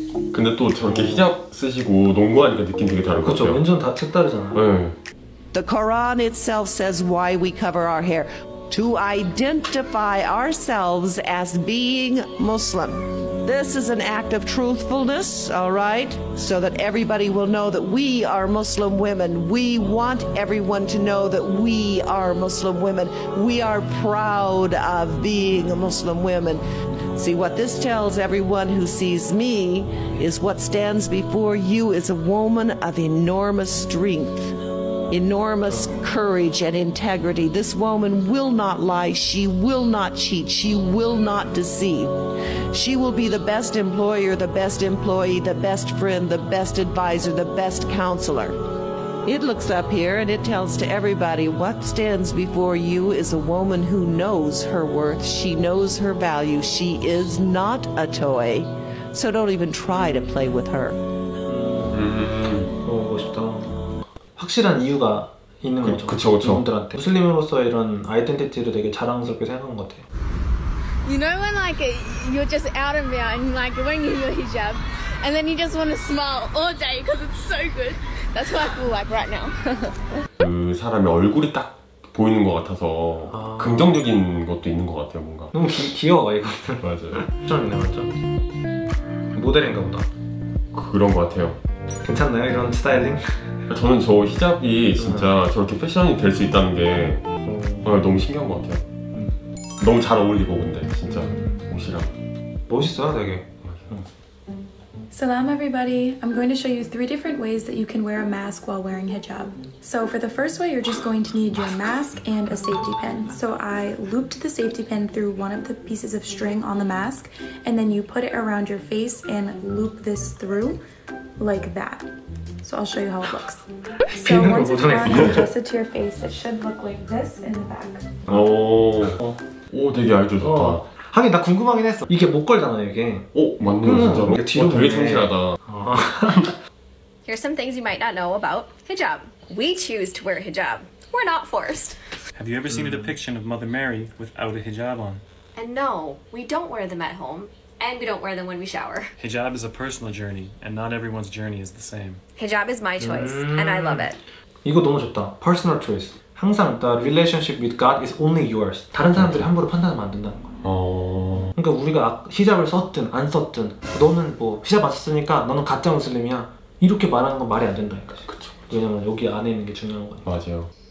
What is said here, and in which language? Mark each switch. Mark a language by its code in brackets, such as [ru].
[ko] 근데 또 저렇게 히잡 쓰시고 농구하니까 느낌 되게 다를 것 같아요. 그렇죠. 완전 다 색다르잖아요. 네. [en] The Quran itself says why we cover our hair to identify ourselves as being Muslim. This is an act of truthfulness, all right? So that everybody will know that we are Muslim women. We want everyone to know that we are Muslim women. We are proud of being Muslim women. See, what this tells everyone who sees me is what stands before you is a woman of enormous strength, enormous courage and integrity. This woman will not lie. She will not cheat. She will not deceive. She will be the best employer, the best employee, the best friend, the best advisor, the best counselor. It looks up here and it tells to everybody what stands before you is a woman who knows her worth. She knows her value. She is not a toy. So don't even try to play with her. [ko] 보고 싶다. 확실한 이유가 있는 거죠. 그렇죠, 그렇죠. 이분들한테. 무슬림으로서 이런 아이덴티티를 되게 자랑스럽게 생각한 것 같아요. [en] You know when like you're just out and about and like wearing your hijab and then you just want to smile all day because it's so good. That's what I feel like right now. [ko] 그 사람의 얼굴이 딱 보이는 것 같아서 아... 긍정적인 것도 있는 것 같아요 뭔가. 너무 귀여워 이거. 맞아요. 추천이네 맞죠. 모델인가 보다. 그런 것 같아요. 괜찮나요 이런 스타일링? 저는 저 히잡이 진짜 저렇게 패션이 될 수 있다는 게 너무 신기한 것 같아요. 너무 잘 어울리고 근데 진짜 옷이랑 멋있어요 되게. [en] Salam everybody. I'm going to show you three different ways that you can wear a mask while wearing hijab. So for the first way, you're just going to need your mask and a safety pin. So I looped the safety pin through one of the pieces of string on the mask, and then you put it around your face and loop this through like that. So I'll show you how it looks. So once it's done, you adjust it to your face. It should look like this in the back. [ko] Oh. 오 되게 아이돌 좋다. 하긴 나 궁금하긴 했어. 이게 못 걸잖아 이게. 오 맞네 진짜로. 이게 뒤로 오, 되게 충실하다. 아. [en] Here's some things you might not know about hijab. We choose to wear hijab. We're not forced. Have you ever seen a depiction of Mother Mary without a hijab on? And no, we don't wear them at home. and we don't wear them when we shower. Hijab is a personal journey, and not everyone's journey is the same. Hijab is my choice, and I love it. [ko] 이거 너무 좋다. [en] Personal choice. [ko] 항상 [en] the relationship with God is only yours. [ko] 다른 사람들이 함부로 판단하면 안 된다는 거야. 그러니까 우리가 히잡을 썼든 안 썼든 너는 뭐 히잡 안 썼으니까 너는 가짜 무슬림이야. 이렇게 말하는 건 말이 안 된다니까. 그쵸. 왜냐면 여기 안에 있는 게 중요한 거니까. 맞아요.